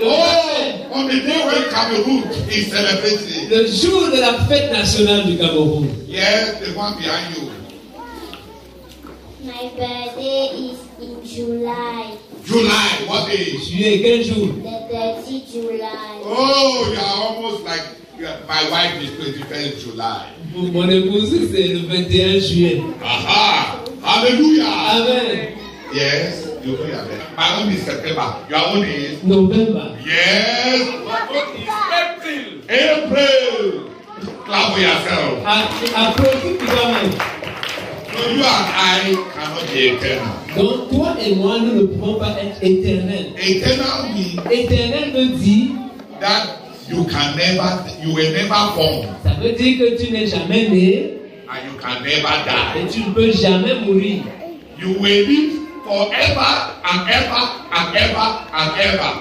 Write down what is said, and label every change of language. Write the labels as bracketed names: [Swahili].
[English] Oh, on the day when Cameroon is celebrating. [French] Le jour de la fête nationale du Cameroun. [English] Yes, the one behind you. My birthday is in July. July, what day? [French] Juillet, quel jour? [English] The 30th July. Oh, you are almost like my wife is 21st July. [French] Mon épouse, c'est le 21 juillet. [English] Aha! Hallelujah! Amen! Yes, you will have it. My own is September. Your own is? November. Yes! April! April! Clap for yourself. You and I cannot be eternal. [French] Donc toi et moi, nous ne pouvons pas être éternels. [English] Eternal means. [French] Éternel veut dire [English] that you can never, you will never born. [French] Ça veut dire que tu n'es jamais né. [English] And you can never die. [French] Et tu ne peux jamais mourir. [English] You will live forever and ever and ever and ever.